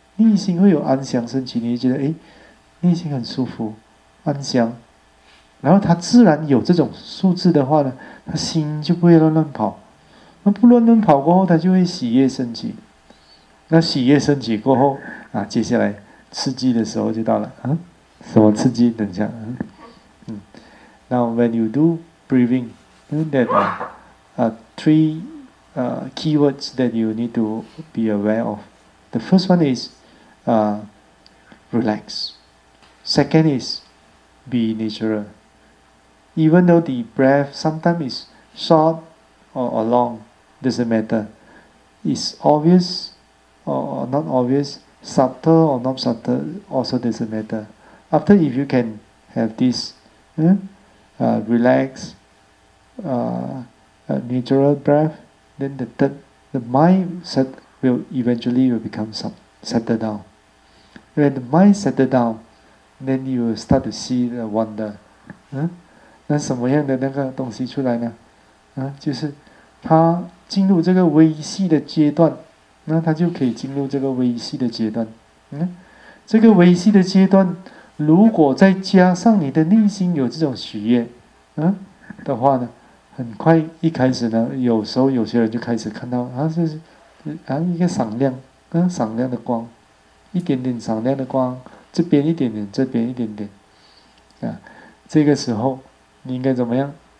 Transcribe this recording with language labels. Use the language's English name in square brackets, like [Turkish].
[Chinese] 内心会有安详升起，你就觉得内心很舒服安详，然后他自然有这种数字的话呢，他心就不会乱跑。那不乱乱跑过后，他就会喜悦升起。那喜悦升起过后啊，接下来刺激的时候就到了。什么刺激？等一下。 [English] Now when you do breathing, that three keywords that you need to be aware of. The first one is relax. Second is be natural. Even though the breath sometimes is short or long, doesn't matter. It's obvious or not obvious, subtle or not subtle, also doesn't matter. After, if you can have this relax, natural breath, then the mind set will eventually will become settle down. When the mind settle down, then you will start to see the wonder. [Chinese] 那什么样的那个东西出来呢？就是他进入这个微细的阶段，那他就可以进入这个微细的阶段。这个微细的阶段，如果再加上你的内心有这种喜悦，的话呢，很快一开始呢，有时候有些人就开始看到啊，就是啊一个闪亮，闪亮的光，一点点闪亮的光，这边一点点，这边一点点，啊，这个时候。你应该怎么样？